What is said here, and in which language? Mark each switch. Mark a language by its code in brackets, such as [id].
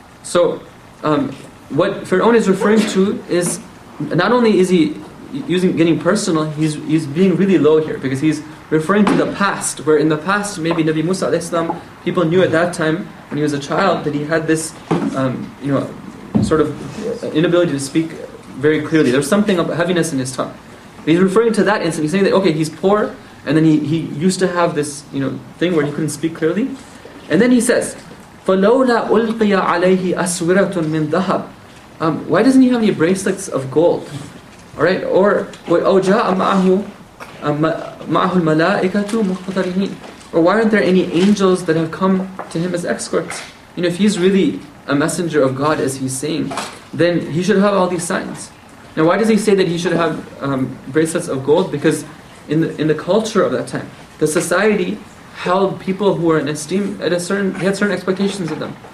[en] So what Pharaoh is referring to is, not only is he getting personal, he's being really low here, because he's referring to the past, where in the past maybe Nabi Musa alayhi salam, people knew at that time when he was a child that he had this sort of inability to speak very clearly. There's something of heaviness in his tongue. But he's referring to that incident. He's saying that, okay, he's poor, and then he used to have this thing where he couldn't speak clearly. And then he says, [ar] فَلَوْلَا أُلْقِيَ عَلَيْهِ أَسْوِرَةٌ مِّن ذَهَبٍ. [en] Why doesn't he have any bracelets of gold? All right, or [ar] وَأَوْجَاءَ مَعَهُ الْمَلَائِكَةُ مُقْتَرِهِينَ. [en] Or why aren't there any angels that have come to him as escorts? If he's really a messenger of God, as he's saying, then he should have all these signs. Now, why does he say that he should have bracelets of gold? Because in the culture of that time, the society held people who were in esteem at a certain, they had certain expectations of them.